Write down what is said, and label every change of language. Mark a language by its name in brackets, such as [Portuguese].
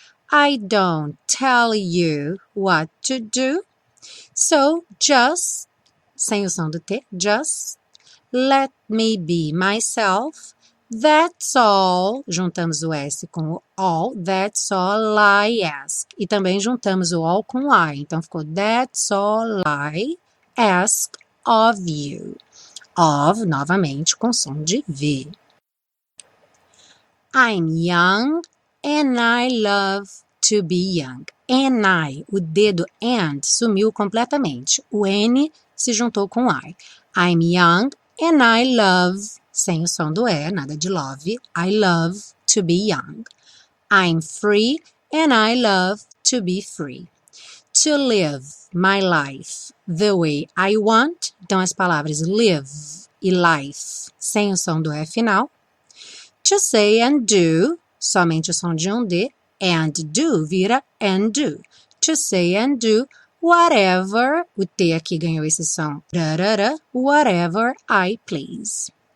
[English] I don't tell you what to do. So, just, [Portuguese] sem o som do T, [English] just let me be myself. That's all, [Portuguese] juntamos o S com o all, [English] that's all I ask. [Portuguese] E também juntamos o all com o I, então ficou [English] that's all I ask of you. [Portuguese] Of, novamente, com som de V. [English] I'm young and I love to be young. And I, [Portuguese] o dedo and sumiu completamente, o N se juntou com o I. [English] I'm young and I love... [Portuguese] Sem o som do E, nada de love. [English] I love to be young. I'm free and I love to be free. To live my life the way I want. [Portuguese] Então, as palavras live e life, sem o som do E final. [English] To say and do, [Portuguese] somente o som de um D. [English] And do [Portuguese] vira and do. [English] To say and do whatever, [Portuguese] o T aqui ganhou esse som, [English] whatever I please.